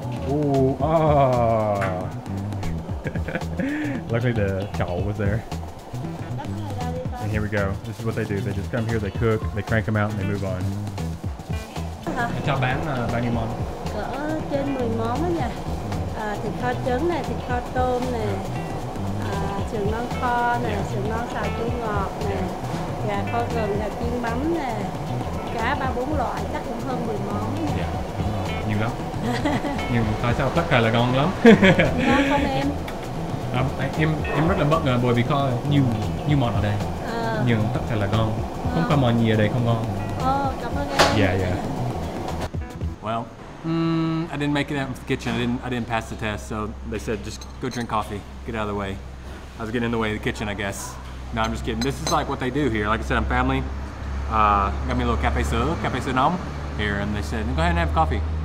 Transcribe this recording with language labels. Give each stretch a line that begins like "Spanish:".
English: Ooh, ah! Luckily the chow was there. And here we go. This is what they do. They just come here, they cook, they crank them out, and they move on.
Vietnamese: Chào bán bao nhiêu món? cỡ trên 10 món đó nha. À, thịt kho trứng này, thịt kho tôm nè, sườn non kho nè, sườn non xào chua ngọt nè, gà kho gừng, gà chiên mắm nè, cá 3-4 loại, chắc cũng hơn 10 món đó nha. Nhiều lắm. Nhưng tại sao tất cả là ngon lắm? Ngon không em? Em rất là bất ngờ bởi vì có nhiều món ở đây. Nhưng tất cả là ngon. Không có món gì ở đây không ngon. Cảm ơn em.
English: Yeah, yeah. Well, I didn't make it out of the kitchen. I didn't pass the test, so they said just go drink coffee. Get out of the way. I was getting in the way of the kitchen, I guess. No, I'm just kidding. This is like what they do here. Like I said, I'm family. Got me a little
Vietnamese: cafe sữa nóng
English: here, and they said, go ahead and have coffee.